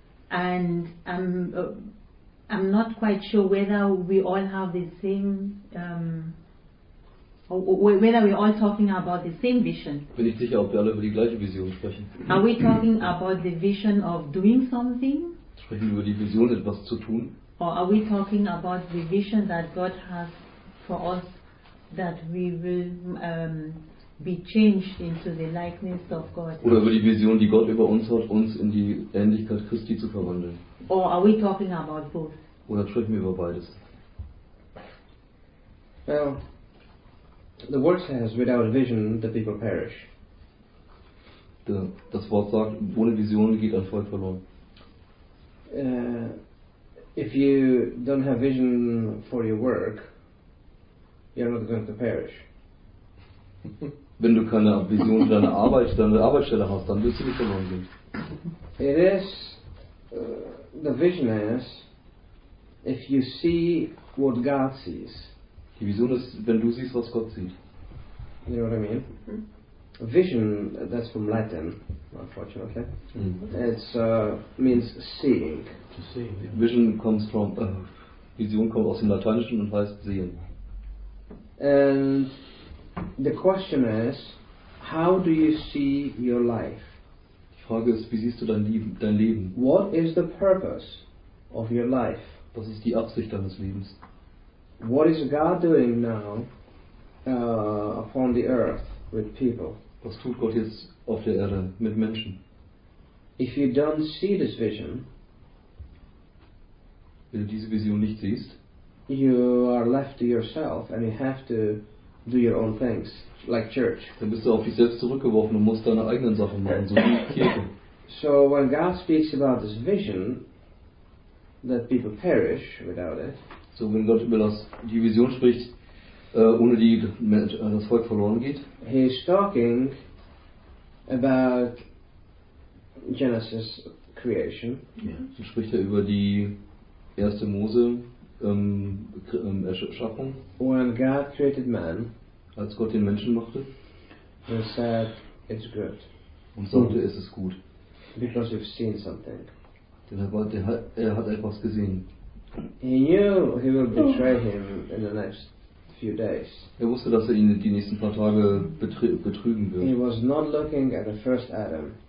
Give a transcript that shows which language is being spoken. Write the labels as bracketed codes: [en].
[en] I'm not quite sure whether we all have the same. Whether we're all talking about the same vision. [de] Bin ich sicher, ob wir alle über die gleiche Vision sprechen. [en] Are we talking about the vision of doing something? [de] Sprechen wir über die Vision, etwas zu tun? [en] Or are we talking about the vision that God has for us, that we will be changed into the likeness of God? [de] Oder über die Vision, die Gott über uns hat, uns in die Ähnlichkeit Christi zu verwandeln? [en] Or are we talking about both? [de] Oder sprechen wir über beides? [en] Well, the word says, without a vision, the people perish. [de] Das Wort sagt, ohne Vision geht ein Volk verloren. [en] If you don't have vision for your work, you're not going to perish. [de] Wenn du keine Vision für deine Arbeit, deine Arbeitsstelle hast, dann wirst du nicht verloren gehen. [en] It is, the vision is, if you see what God sees. [de] Die Vision ist, wenn du siehst, was Gott sieht. [en] You know what I mean? Mm-hmm. Vision, that's from Latin, unfortunately. Mm-hmm. It's means seeing. To see. Yeah. Vision comes from [de] Vision kommt aus dem Lateinischen und heißt sehen. [en] And the question is, how do you see your life? [de] Die Frage ist, wie siehst du dein Leben? [en] What is the purpose of your life? [de] Was ist die Absicht deines Lebens? [en] What is God doing now upon the earth with people? [de] Was tut Gott jetzt auf der Erde mit Menschen? [en] If you don't see this vision, [de] wenn du diese Vision nicht siehst, [en] you are left to yourself and you have to do your own things, like church. [de] Dann bist du auf dich selbst zurückgeworfen und musst deine eigenen Sachen machen, so wie Kirche. [en] So when God speaks about this vision, that people perish without it. [de] So wenn Gott über die Vision spricht, ohne die das Volk verloren geht. [en] He is talking about Genesis creation. [de] Ja, so spricht er über die erste Mose Erschaffung. [en] When God created man, [de] als Gott den Menschen machte, [en] he said, it's good. [de] Und sagte, es ist gut. [en] Because we've seen something. [de] Denn er hat etwas gesehen. [en] He knew he will betray him in the next few days. [de] Er wusste, dass er ihn die nächsten paar Tage betrügen wird. [en] He was not looking at the first Adam.